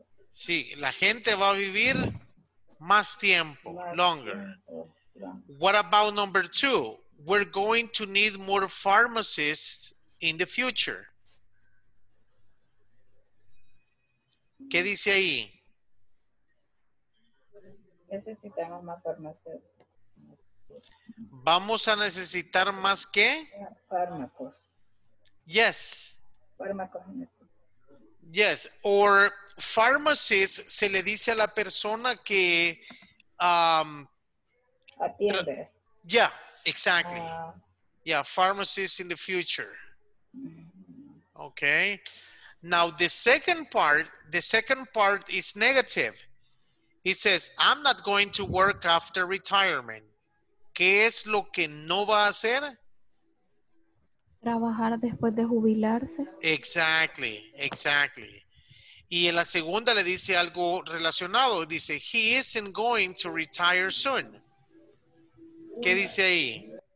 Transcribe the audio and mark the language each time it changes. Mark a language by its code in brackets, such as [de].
[es] Sí, la gente va a vivir más tiempo, longer. [en] What about number two? We're going to need more pharmacists in the future. [es] ¿Qué dice ahí? Necesitamos más farmacéuticos. ¿Vamos a necesitar más qué? Fármacos. [en] Yes. [es] Fármacos. [en] Yes, or pharmacist, [es] se le dice a la persona que... atiende. [en] Yeah, exactly. Yeah, pharmacist in the future. Okay. Now, the second part is negative. He says, I'm not going to work after retirement. [es] ¿Qué es lo que no va a hacer? Trabajar después de jubilarse. [en] Exactly, exactly. [es] Y en la segunda le dice algo relacionado. Dice, [en] he isn't going to retire soon. [es] ¿Qué dice ahí?